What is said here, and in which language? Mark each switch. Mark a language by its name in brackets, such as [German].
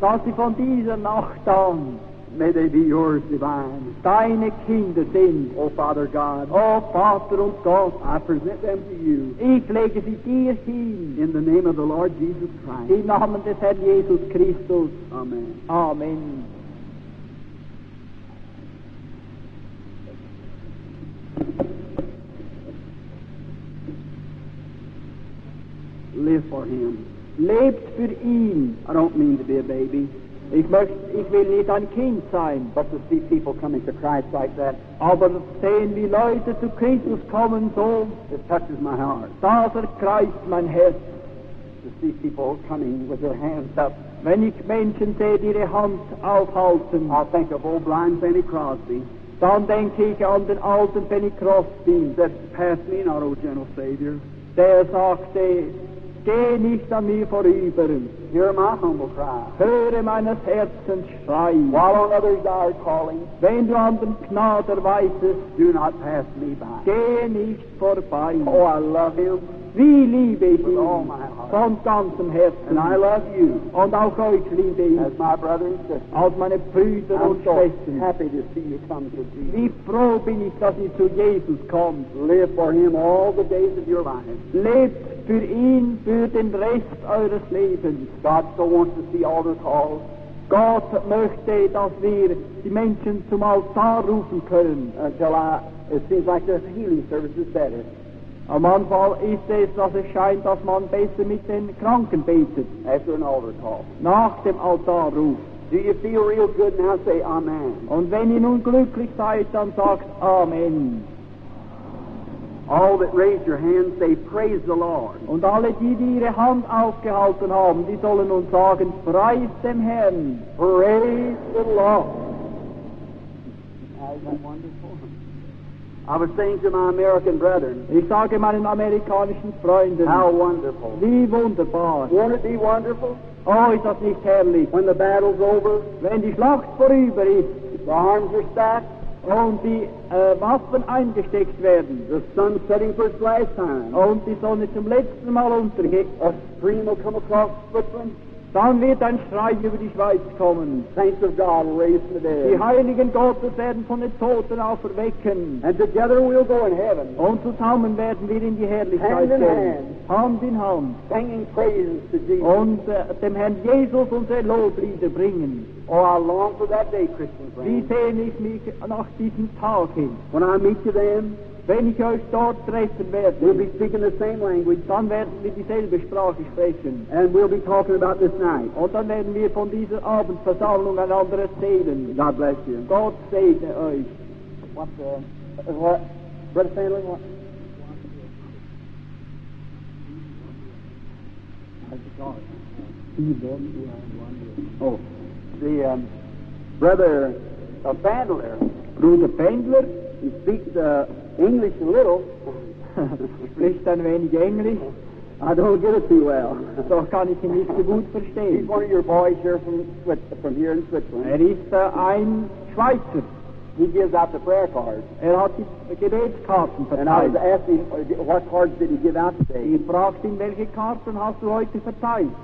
[German] Dass sie von dieser Nacht an. [English] May they be yours, divine. [German] Deine Kinder sind. [English] Oh, Father God. [German] Oh, Vater und Gott. [English] I present them to you. [German] Ich lege sie dir hin. [English] In the name of the Lord Jesus Christ. [German] Im Namen des Herrn Jesus Christus. [English] Amen. [German] Amen. [English] Live for him. [German] Lebt für ihn. [English] I don't mean to be a baby. [German] Ich will nicht ein Kind sein. [English] But to see people coming to Christ like that. [German] Aber sehen die Leute zu Christus kommen so. [English] It touches my heart. [German] Das ergreift mein Herz. [English] To see people coming with their hands up. [German] Wenn ich Menschen sehe, die ihre Hand aufhalten. [English] I think of old blind Fanny Crosby. [German] Dann denke ich an den alten Fanny Crosby. [English] That passed me not, O gentle Savior. [German] Der sagte, geh nicht an mir vorüber. [English] Hear my humble cry. [German] Höre meines Herzens Schrei. [English] While on others thou art calling, [German] wenn du an den Gnader weisest, [English] do not pass me by. [German] Geh nicht vorbei. [English] Oh, I love him. [German] Wie liebe ich [English] with [German] ihn [English] all my heart. [German] Von ganzem Herzen. [English] And I love you. [German] Und auch euch liebe ich. [English] As my brother and sister. [German] Als meine Brüder [English] I'm [German] und Schwestern. [English] So happy to see you come to Jesus. [German] Wie froh bin ich, dass ihr zu Jesus kommt. [English] Live for him all the days of your life. [German] Lebt für ihn für den Rest eures Lebens. [English] God so wants to see altar calls. [German] Gott möchte, dass wir die Menschen zum Altar rufen können. [English] Until it seems like the healing service is better. [German] Am manchmal ist es, dass es scheint, dass man besser mit den Kranken betet. [English] After an altar call. [German] Nach dem Altarruf. [English] Do you feel real good now? Say Amen. [German] Und wenn ihr nun glücklich seid, dann sagt Amen. [English] All that raise your hand, say praise the Lord. [German] Und alle, die ihre Hand aufgehalten haben, die sollen nun sagen, preis dem Herrn. [English] Praise the Lord. I was saying to my American brethren, [German] ich sage meinen amerikanischen Freunden, [English] how wonderful. [German] Wie wunderbar. [English] Won't it be wonderful? [German] Oh, ist das nicht herrlich. [English] When the battle's over, [German] wenn die Schlacht vorüber ist, [English] the arms are stacked, [German] und die Waffen eingesteckt werden, [English] the sun setting for its last time, [German] und die Sonne zum letzten Mal untergeht, [English] a stream will come across Switzerland, [German] dann wird ein Schrei über die Schweiz kommen. [English] Saints of God raised from the dead. [German] Die Heiligen Gottes werden von den Toten auferwecken. [English] And together we'll go in heaven. [German] Und zusammen werden wir in die Herrlichkeit [English] hand in [German] gehen. [English] Hand. [German] Hand in Hand. [English] Singing praises to Jesus. [German] Und dem Herrn Jesus unser Loblieder bringen. [English] Oh, I long for that day, Christian friend. [German] Wie sehne ich mich nach diesem Tag hin. [English] When I meet you then, [German] wenn ich euch dort treffen werde, [English] we'll be speaking the same language. [German] Dann werden wir dieselbe Sprache sprechen. [English] And we'll be talking about this night. [German] Und dann werden wir von dieser Abendversammlung einander erzählen. [English] God bless you. [German] Gott segne euch. [English] What the... What? Brother Stanley, what? Brother Bandler. [German] Bruder Bandler. [English] He speaks English a little. [German] Spricht ein wenig Englisch. [English] I don't get it too well. [German] So kann ich ihn nicht so gut verstehen. [English] He's one of your boys here from here in Switzerland. [German] Er ist ein Schweizer. [English] He gives out the prayer cards. [German] Er hat die Gebetskarten verteilt. [English] And I was asking, what cards did he give out today? [German] Ich fragte ihn, welche Karten hast du heute verteilt?